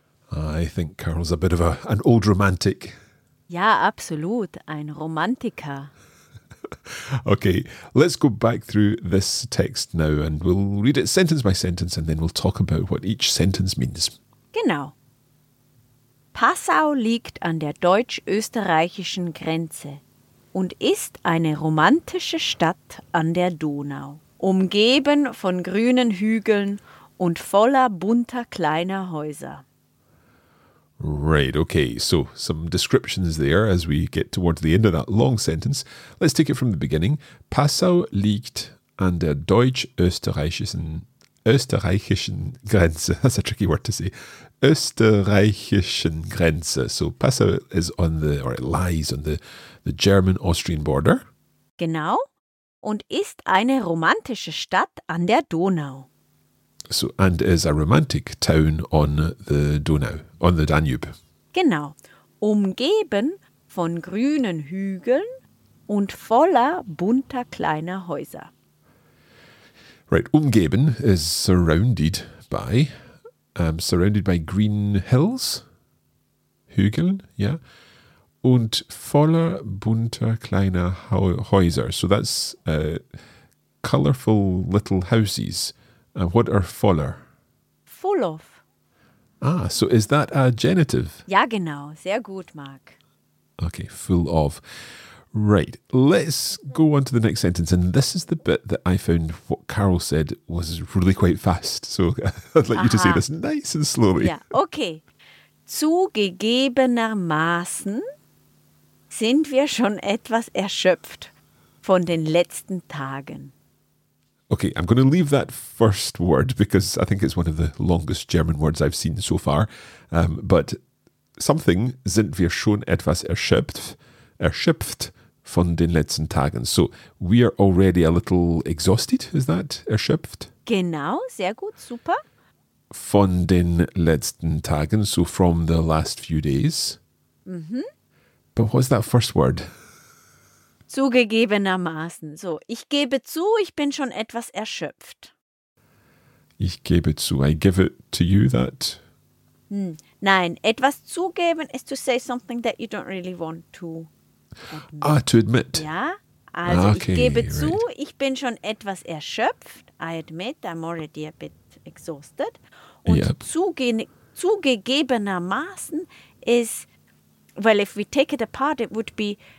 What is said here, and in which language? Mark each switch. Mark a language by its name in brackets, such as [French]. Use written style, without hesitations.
[English] I think Carl's a bit of an old romantic. [German] Ja, absolut. Ein Romantiker. [English] Okay, let's go back through this text now and we'll read it sentence by sentence and then we'll talk about what each sentence means. [German] Genau. Passau liegt an der deutsch-österreichischen Grenze und ist eine romantische Stadt an der Donau, umgeben von grünen Hügeln und voller bunter kleiner Häuser. [English] Right, okay, so some descriptions there as we get towards the end of that long sentence. Let's take it from the beginning. [German] Passau liegt an der deutsch-österreichischen Grenze. [English] That's a tricky word to say. [German] Österreichischen Grenze. [English] So Passau is on the, or it lies on the German-Austrian border. [German] Genau. und ist eine romantische Stadt an der Donau. [English] So, and is a romantic town on the Donau, on the Danube. [German] Genau. Umgeben von grünen Hügeln und voller bunter kleiner Häuser. [English] Right, umgeben is surrounded by, green hills, Hügeln, yeah, [German] und voller bunter kleiner Häuser. [English] So that's colourful little houses. What are voller? Full of. Ah, so is that a genitive? [German] Ja, genau. Sehr gut, Mark. [English] Okay, full of. Right, let's go on to the next sentence. And this is the bit that I found what Carol said was really quite fast. So I'd like you to say this nice and slowly. Yeah, okay. [German] Zugegebenermaßen sind wir schon etwas erschöpft von den letzten Tagen. [English] Okay, I'm going to leave that first word because I think it's one of the longest German words I've seen so far. But something, [German] sind wir schon etwas erschöpft von den letzten Tagen. [English] So we are already a little exhausted, is that erschöpft? [German] Genau, sehr gut, super. Von den letzten Tagen, [English] so from the last few days. Mm-hmm. But what's that first word? [German] Zugegebenermaßen. So, ich gebe zu, ich bin schon etwas erschöpft. Ich gebe zu. [English] I give it to you that? [German] Nein, etwas zugeben [English] is to say something that you don't really want to admit. To admit. [German] Ja, also okay, ich gebe zu, right. Ich bin schon etwas erschöpft. [English] I admit, I'm already a bit exhausted. [German] Und zugegebenermaßen [English] is, well, if we take it apart, it would be...